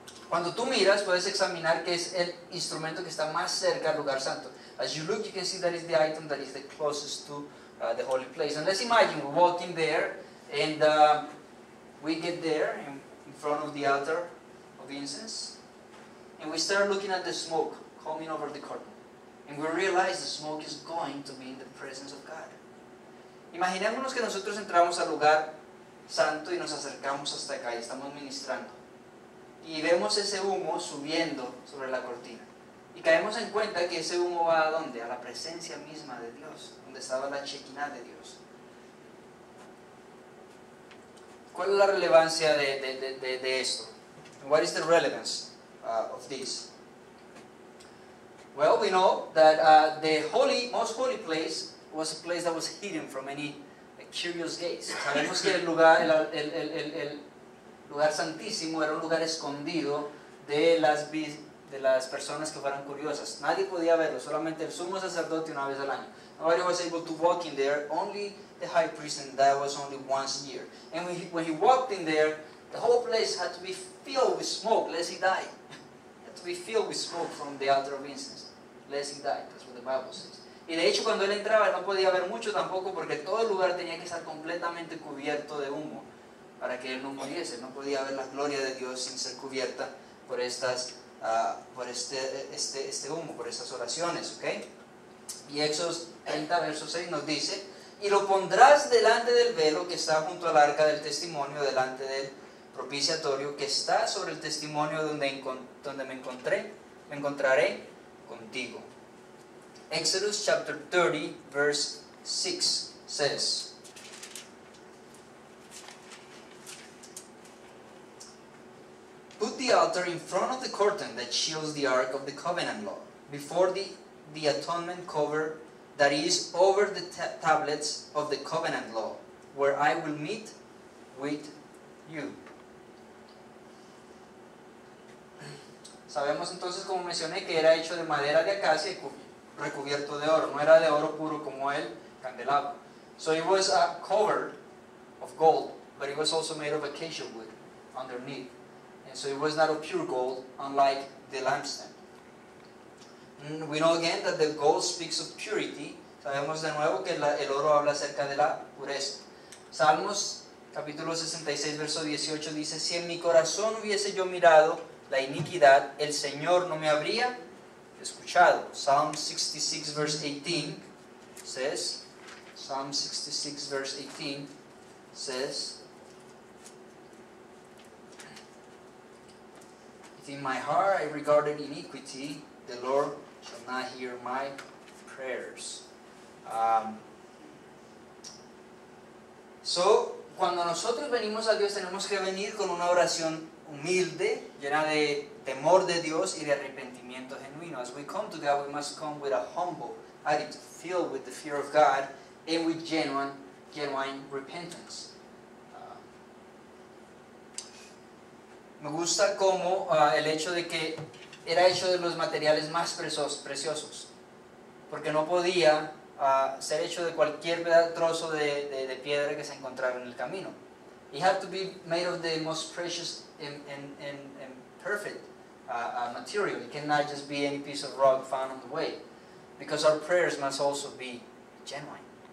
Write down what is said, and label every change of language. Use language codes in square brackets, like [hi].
[es] Cuando tú miras, puedes examinar que es el instrumento que está más cerca al lugar santo. [en] As you look, you can see that is the item that is the closest to the holy place. And let's imagine we're walking there, and we get there in front of the altar of incense, and we start looking at the smoke coming over the curtain. And we realize the smoke is going to be in the presence of God. [es] Imaginémonos que nosotros entramos al lugar santo y nos acercamos hasta acá y estamos ministrando. Y vemos ese humo subiendo sobre la cortina. Y caemos en cuenta que ese humo va ¿a dónde? A la presencia misma de Dios, donde estaba la Shekinah de Dios. ¿Cuál es la relevancia de esto? [en] What is the relevance of this? Well, we know that the holy, most holy place was a place that was hidden from any curious gaze. [es] Sabemos que el lugar santísimo era un lugar escondido de las personas que fueran curiosas. Nadie podía verlo, solamente el sumo sacerdote una vez al año. [en] Nobody was able to walk in there, only the high priest, and that was only once a year. And when he walked in there, the whole place had to be filled with smoke, lest he die. Be filled with smoke from the altar of incense, lest he die, that's what the Bible says. [es] Y de hecho cuando él entraba no podía ver mucho tampoco porque todo el lugar tenía que estar completamente cubierto de humo para que él no muriese. No podía ver la gloria de Dios sin ser cubierta por estas por este humo, por estas oraciones, ¿okay? Y Éxodo 30 verso 6 nos dice: y lo pondrás delante del velo que está junto al arca del testimonio, delante del propiciatorio que está sobre el testimonio donde me encontraré contigo. [en] Exodus chapter 30 verse 6 says, put the altar in front of the curtain that shields the ark of the covenant law, before the atonement cover that is over the tablets of the covenant law, where I will meet with you. [es] Sabemos entonces, como mencioné, que era hecho de madera de acacia y recubierto de oro. No era de oro puro como el candelabro. [en] So it was a cover of gold, but it was also made of acacia wood underneath. And so it was not of pure gold, unlike the lampstand. And we know again that the gold speaks of purity. [es] Sabemos de nuevo que el oro habla acerca de la pureza. Salmos capítulo 66, verso 18 dice: si en mi corazón hubiese yo mirado la iniquidad, el Señor no me habría escuchado. [en] Psalm 66, verse 18 says, Psalm 66, verse 18 says, if in my heart I regarded iniquity, the Lord shall not hear my prayers. [es] So, cuando nosotros venimos a Dios, tenemos que venir con una oración humilde, llena de temor de Dios y de arrepentimiento genuino. [en] As we come to God, we must come with a humble attitude, filled with the fear of God, and with genuine repentance. [es] Me gusta como el hecho de que era hecho de los materiales más preciosos, porque no podía ser hecho de cualquier trozo de piedra que se encontrara en el camino. [en] It had to be made of the most precious and perfect material. It cannot just be any piece of rock found on the way, because our prayers must also be genuine.